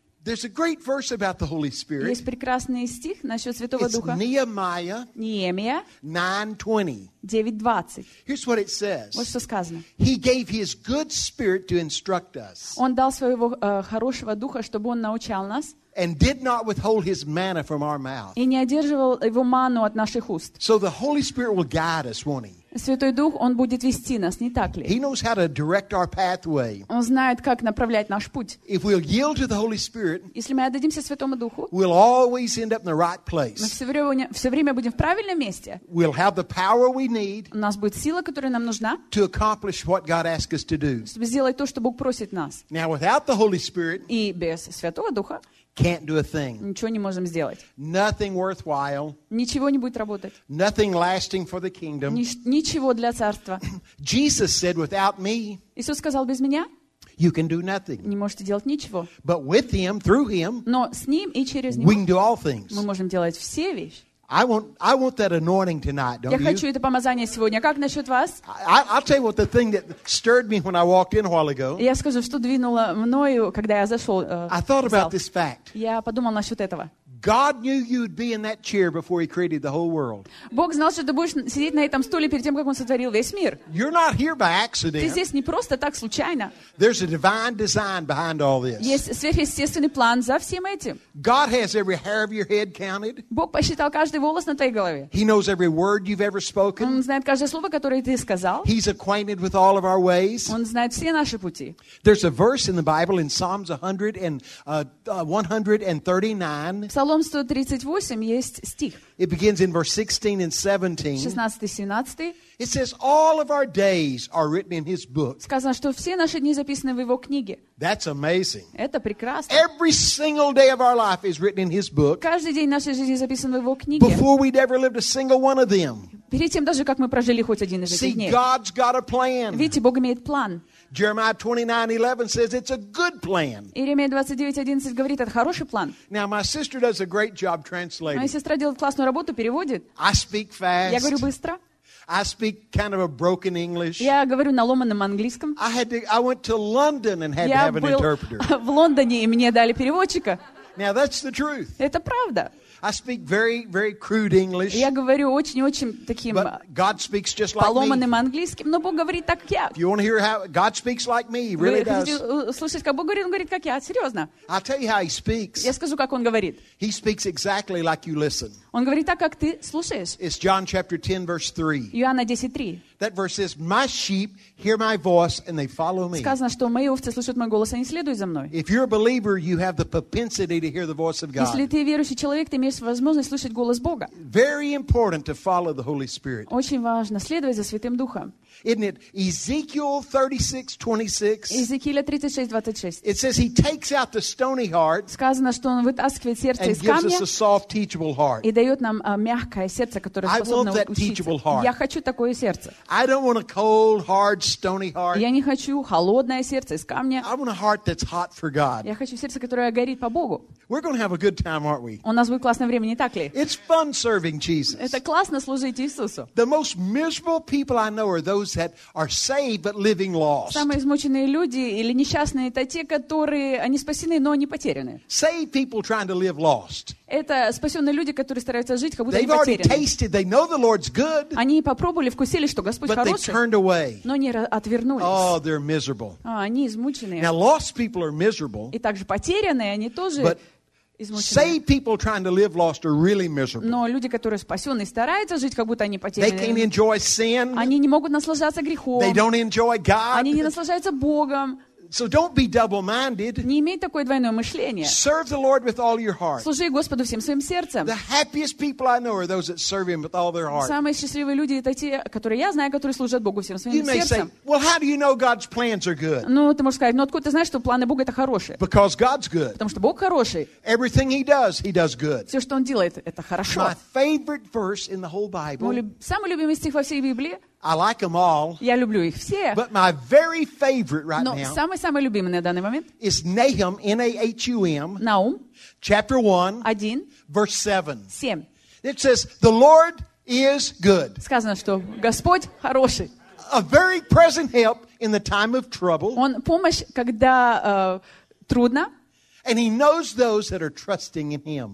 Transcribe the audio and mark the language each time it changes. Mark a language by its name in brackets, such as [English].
[English] There's a great verse about the Holy Spirit. [Russian] Есть прекрасный стих насчет Святого Духа. [English] It's Nehemiah. [Russian] Неемия. [English] 9:20. [Russian] 9:20. [English] Here's what it says. [Russian] Вот что сказано. [English] He gave His good Spirit to instruct us. [Russian] Он дал своего хорошего духа, чтобы он научал нас. [English] And did not withhold His manna from our mouth. [Russian] И не одерживал его манну от наших уст. [English] So the Holy Spirit will guide us, won't He? [Russian] Святой Дух, Он будет вести нас, не так ли? [English] He knows how to direct our pathway. [Russian] Он знает, как направлять наш путь. [English] If we'll yield to the Holy Spirit, [Russian] если мы отдадимся Святому Духу, [English] we'll always end up in the right place. [Russian] Мы все время будем в правильном месте. [English] We'll have the power we need, [Russian] у нас будет сила, которая нам нужна, [English] to accomplish what God asks us to do. [Russian] Чтобы сделать то, что Бог просит нас. [English] Now, without the Holy Spirit, [Russian] и без Святого Духа, [English] can't do a thing. [Russian] Ничего не можем сделать. [English] Nothing worthwhile. [Russian] Ничего не будет работать. [English] Nothing lasting for the kingdom. [Russian] Ничего для царства. [English] Jesus said, "Without me." [Russian] Иисус сказал без меня. [English] You can do nothing. [Russian] Не можете делать ничего. [English] But with him, through him. [Russian] Но с ним и через него. [English] We can do all things. [Russian] Мы можем делать все вещи. [English] I want that anointing tonight, don't [Russian] you? Я хочу это помазание сегодня. Как насчет вас? [English] I'll tell you what the thing that stirred me when I walked in a while ago. [Russian] Я скажу, что двинуло мною, когда я зашел. [English] I thought about this fact. [Russian] Я подумал насчет этого. [English] God knew you'd be in that chair before He created the whole world. [Russian] Бог знал, что ты будешь сидеть на этом стуле перед тем, как Он сотворил весь мир. [English] You're not here by accident. [Russian] Ты здесь не просто так случайно. [English] There's a divine design behind all this. [Russian] Есть сверхъестественный план за всем этим. [English] God has every hair of your head counted. [Russian] Бог посчитал каждый волос на твоей голове. [English] He knows every word you've ever spoken. [Russian] Он знает каждое слово, которое ты сказал. [English] He's acquainted with all of our ways. [Russian] Он знает все наши пути. [English] There's a verse in the Bible in Psalms 139. [Russian] Псалом 138 есть стих. [English] It begins in verse 16 and 17. [Russian] 16-17. [English] It says all of our days are written in His book. [Russian] Сказано, что все наши дни записаны в Его книге. [English] That's amazing. [Russian] Это прекрасно. [English] Every single day of our life is written in His book. [Russian] Каждый день нашей жизни записан в Его книге. [English] Before we'd ever lived a single one of them. [Russian] Перед тем даже как мы прожили хоть один из этих дней. [English] See, God's got a plan. [Russian] Видите, Бог имеет план. [English] Jeremiah 29:11 says it's a good plan. [Russian] Иеремия 29:11 говорит, это хороший план. [English] Now my sister does a great job translating. [Russian] Моя сестра делает классную работу, переводит. [English] I speak fast. [Russian] Я говорю быстро. [English] I speak kind of a broken English. [Russian] Я говорю на ломаном английском. [English] I went to London and had to have an interpreter. [Russian] Я был в Лондоне и мне дали переводчика. [English] Now that's the truth. [Russian] Это правда. [English] I speak very, very crude English. [Russian] Я говорю очень-очень таким поломанным английским, но Бог говорит так, как я. [English] If you want to hear how God speaks like me, he really does. [Russian] Слушайте, как Бог говорит, Он говорит, как я, серьезно. [English] I'll tell you how He speaks. [Russian] Я скажу, как Он говорит. [English] He speaks exactly like you listen. [Russian] Он говорит так, как ты слушаешь. [English] It's John chapter 10, verse 3. [Russian] Иоанна 10:3. [English] That verse says, "My sheep hear my voice and they follow me." [Russian] Сказано, что мои овцы слышат мой голос, они следуют за мной. [English] If you're a believer, you have the propensity to hear the voice of God. [Russian] Если ты верующий человек, ты имеешь возможность слышать голос Бога. [English] Very important to follow the Holy Spirit. [Russian] Очень важно следовать за Святым Духом. [English] Isn't it Ezekiel 36:26? [Russian] Иезекииля 36:26. [English] It says He takes out the stony heart. [Russian] Сказано, что Он вытаскивает сердце из камня. [English] And gives us a soft, teachable heart. [Russian] И дает нам мягкое сердце, которое способно учиться. Я хочу такое сердце. [English] I don't want a cold, hard, stony heart. [Russian] Я не хочу холодное сердце из камня. [English] I want a heart that's hot for God. [Russian] Я хочу сердце, которое горит по Богу. [English] We're going to have a good time, aren't we? [Russian] У нас будет классное время, не так ли? [English] It's fun serving Jesus. [Russian] Это классно служить Иисусу. [English] The most miserable people I know are those that are saved but living lost. [Russian] Самые измученные люди или несчастные — это те, которые они спасены, но они потеряны. [English] Saved people trying to live lost. [Russian] Это спасенные люди, которые стараются жить, как будто они потеряны. [English] They've already tasted. They know the Lord's good. [Russian] Они попробовали, вкусили, что Господь хороший. [English] But they turned away. [Russian] Но они отвернулись. [English] Oh, they're miserable. [Russian] Они измученные. [English] Now lost people are miserable. [Russian] И также потерянные, они тоже. [English] Saved people trying to live lost are really miserable. [Russian] Но люди, которые спасены, стараются жить, как будто они потеряны. [English] They can't enjoy sin. [Russian] Они не могут наслаждаться грехом. [English] They don't enjoy God. [Russian] Они не наслаждаются Богом. [English] So don't be double-minded. [Russian] Не имей такое двойное мышление. [English] Serve the Lord with all your heart. [Russian] Служи Господу всем своим сердцем. [English] The happiest people I know are those that serve Him with all their heart. [Russian] Самые счастливые люди это те, которые я знаю, которые служат Богу всем своим сердцем. [English] You may say, well, how do you know God's plans are good? [Russian] Ну, ты можешь сказать, ну откуда ты знаешь, что планы Бога это хорошие? [English] Because God's good. [Russian] Потому что Бог хороший. [English] Everything He does good. [Russian] Все, что Он делает, это хорошо. [English] My favorite verse in the whole Bible. [Russian] Мой самый любимый стих во всей Библии. [English] I like them all. [Russian] Я люблю их все. [English] But my very favorite right [Russian] Но [English] now. [Russian] Но самый любимый на данный момент. [English] Is Nahum, N-A-H-U-M. [Russian] Наум. [English] Chapter 1. [Russian] 1. [English] Verse 7. [Russian] 7. [English] It says, "The Lord is good." [Russian] Сказано, что Господь хороший. [English] A very present help in the time of trouble. [Russian] Он помощь, когда трудно. [English] And He knows those that are trusting in Him.